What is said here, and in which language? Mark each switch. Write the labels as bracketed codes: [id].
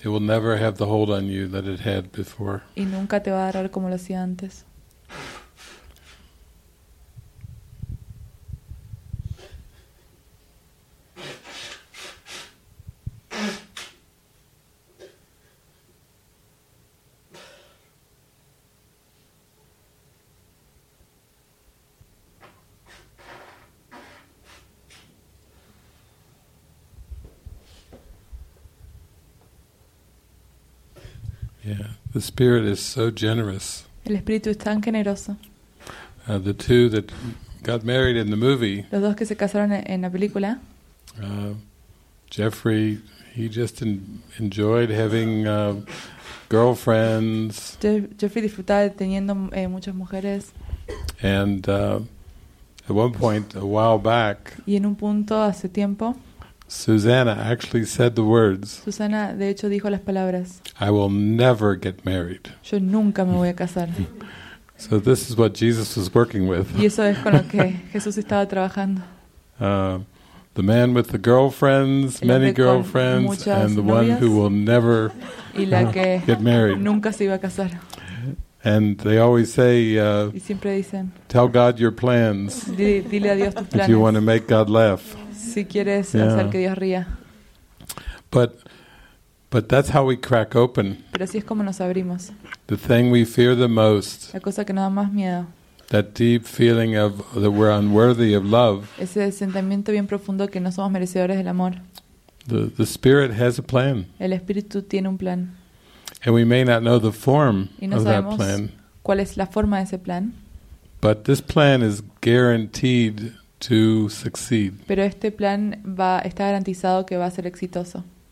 [en] It will never have the hold on you that it had before. [es] Y nunca te va a agarrar como lo hacía antes. [en] The spirit is so generous. [es] El espíritu es tan generoso. [en] The two that got married in the movie. [es] Los dos que se casaron en la película. [en] Jeffrey, he just enjoyed having girlfriends. [es] Jeffrey disfrutaba teniendo muchas mujeres. [en] And at one point, a while back. [es] Y en un punto hace tiempo. [en] Susanna actually said the words. [es] Susanna, de hecho, dijo las palabras. [en] I will never get married. [es] Yo nunca me voy a casar. [en] So this is what Jesus was working with. [es] Y eso es con lo que Jesús estaba trabajando. [en] the man with the girlfriends, many girlfriends, and the one who will never get married. [es] Nunca se iba a casar. [en] And they always say, [es] y siempre dicen, [en] tell God your plans. [es] Dile a Dios tus planes. [en] If you want to make God laugh. [es] Si quieres yeah. hacer que Dios ría. [en] But that's how we crack open. [es] Pero así es como nos abrimos. [en] The thing we fear the most. [es] La cosa que nos da más miedo. [en] That deep feeling of that we're unworthy of love. [es] Ese sentimiento bien profundo que no somos merecedores del amor. [en] The spirit has a plan. [es] El espíritu tiene un plan. [en] And we may not know the form of that plan. [es] ¿Cuál es la forma de ese plan? [en] But this plan is guaranteed to succeed. [es] Pero este plan va está garantizado que va a ser exitoso.